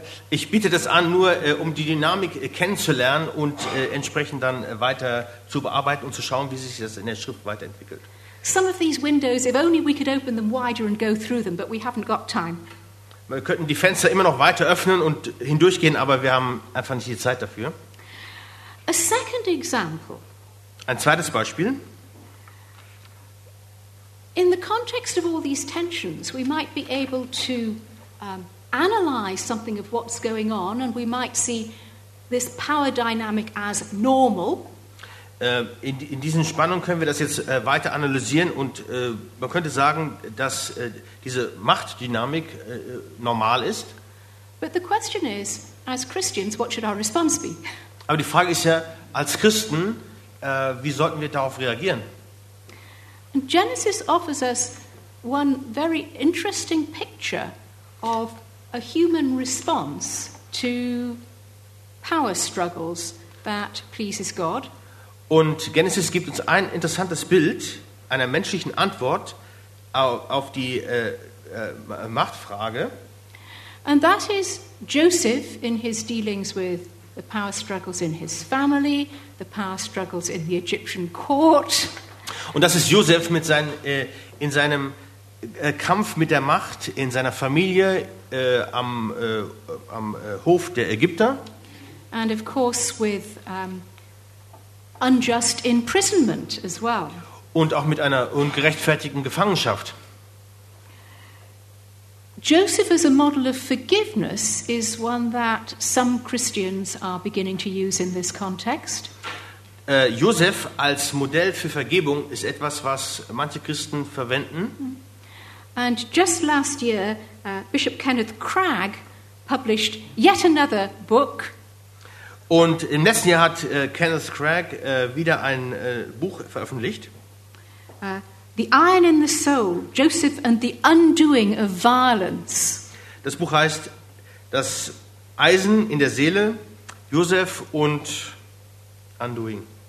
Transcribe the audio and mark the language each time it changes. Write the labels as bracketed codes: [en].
[de] Ich biete das an, nur um die Dynamik kennenzulernen und entsprechend dann weiter zu bearbeiten und zu schauen, wie sich das in der Schrift weiterentwickelt. [en] Some of these windows, if only we could open them wider and go through them, but we haven't got time. [de] Wir könnten die Fenster immer noch weiter öffnen und hindurchgehen, aber wir haben einfach nicht die Zeit dafür. [en] A second example. [de] Ein zweites Beispiel. [en] In the context of all these tensions, we might be able to analyze something of what's going on, and we might see this power dynamic as normal. [de] In diesen Spannungen können wir das jetzt weiter analysieren und man könnte sagen, dass diese Machtdynamik normal ist. [en] But the question is, as Christians, what should our response be? [de] Aber die Frage ist ja, als Christen, wie sollten wir darauf reagieren? [en] Genesis offers us one very interesting picture of a human response to power struggles that pleases God. [de] Und Genesis gibt uns ein interessantes Bild einer menschlichen Antwort auf die Machtfrage. [en] And that is Joseph in his dealings with the power struggles in his family, the power struggles in the Egyptian court. [de] Und das ist Joseph mit seinen in seinem Kampf mit der Macht in seiner Familie am Hof der Ägypter. [en] And of course with unjust imprisonment as well. [de] Und auch mit einer ungerechtfertigten Gefangenschaft. [en] Joseph as a model of forgiveness is one that some Christians are beginning to use in this context. [de] Joseph als Modell für Vergebung ist etwas, was manche Christen verwenden. [en] And just last year, Bishop Kenneth Cragg published yet another book. [de] Und im letzten Jahr hat Kenneth Cragg wieder ein Buch veröffentlicht. [en] The Iron in the Soul, Joseph and the Undoing of Violence. [de] Das Buch heißt Das Eisen in der Seele, Joseph und Undoing.